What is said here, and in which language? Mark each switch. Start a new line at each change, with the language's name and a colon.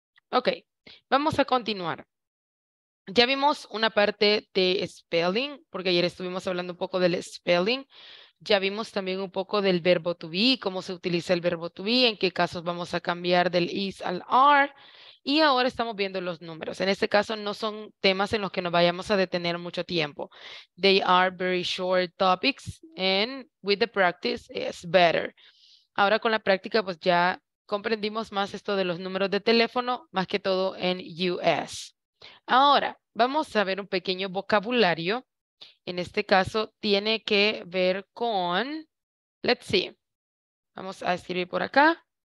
Spanish: Ok, vamos a continuar. Ya vimos una parte de spelling, porque ayer estuvimos hablando un poco del spelling. Ya vimos también un poco del verbo to be, cómo se utiliza el verbo to be, en qué casos vamos a cambiar del is al are. Y ahora estamos viendo los números. En este caso no son temas en los que nos vayamos a detener mucho tiempo.
English: They are very short topics and with the practice it's better.
Spanish: Ahora con la práctica pues ya comprendimos más esto de los números de teléfono, más que todo en US. Ahora vamos a ver un pequeño vocabulario. En este caso tiene que ver con,
English: let's see,
Spanish: vamos a escribir por acá.